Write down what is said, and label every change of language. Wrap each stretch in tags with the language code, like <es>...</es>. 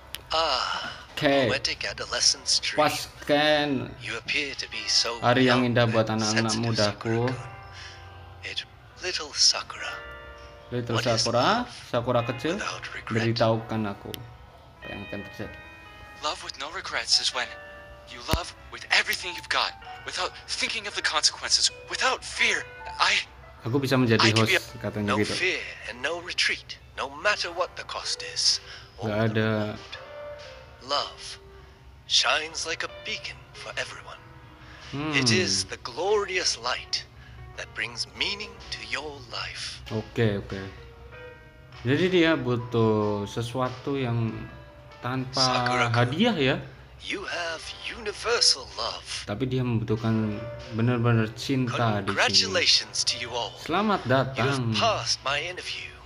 <id>Oke. Pas gen hari yang indah buat anak-anak mudaku.</id> <en>Little Sakura,</en> <id>Sakura kecil, beritahukan aku apa yang akan terjadi.</id> <en>Love with no regrets is when you love with everything you've got, without thinking of the consequences, without fear.</en> <id>Aku bisa menjadi host, katanya gitu.</id> <en>Fear and no retreat, no matter what the cost is.</en> <id>Gak ada.</id> <en>Love shines like a beacon for everyone. It is the glorious light that brings meaning to your life.</en> <id>Oke. Jadi dia butuh sesuatu yang tanpa Sakura-kun, hadiah ya.</id> <en>You have universal love.</en> <id>Tapi dia membutuhkan benar-benar cinta di sini.</id> <en>Congratulations to you all.</en> <id>Selamat datang.</id> <en>You have passed my interview.</en>